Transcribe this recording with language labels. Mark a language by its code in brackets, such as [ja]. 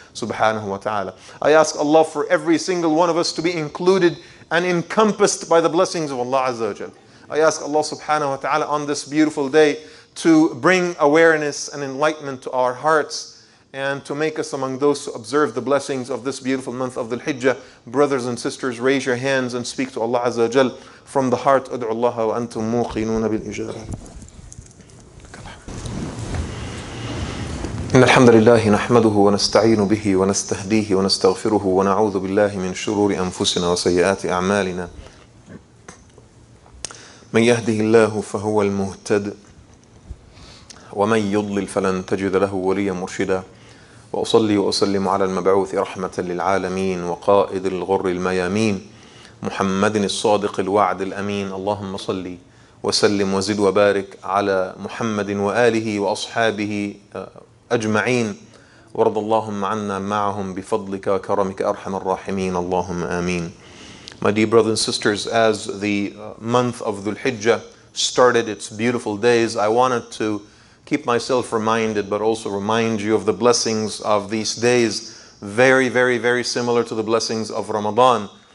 [en] Subhanahu wa ta'ala. I ask Allah for every single one of us to be included and encompassed by the blessings of Allah Azza wa Jal. I ask Allah subhanahu wa ta'ala on this beautiful day to bring awareness and enlightenment to our hearts and to make us among those who observe the blessings of this beautiful month of Dhul Hijjah. Brothers and sisters, raise your hands and speak to Allah Azza wa Jal from the heart. [ar] أدعو الله وأنتم موقنون بالإجابة. إن الحمد لله نحمده ونستعين به ونستهديه ونستغفره ونعوذ بالله من شرور أنفسنا وسيئات أعمالنا. من يهده الله فهو المهتد ومن يضلل فلن تجد له وليا مرشدا. وأصلي وأسلم على المبعوث رحمة للعالمين وقائد الغر الميامين محمد الصادق الوعد الأمين. اللهم صلي وسلم وزد وبارك على محمد وآله وأصحابه أجمعين، ورضى اللهم عنا معهم بفضلك وكرمك أرحم الراحمين. اللهم آمين. [en] My dear brothers and sisters, as the month of Dhul Hijjah started its beautiful days, I wanted to keep myself reminded, but also remind you of the blessings of these days, very, very, very similar to the blessings of Ramadan.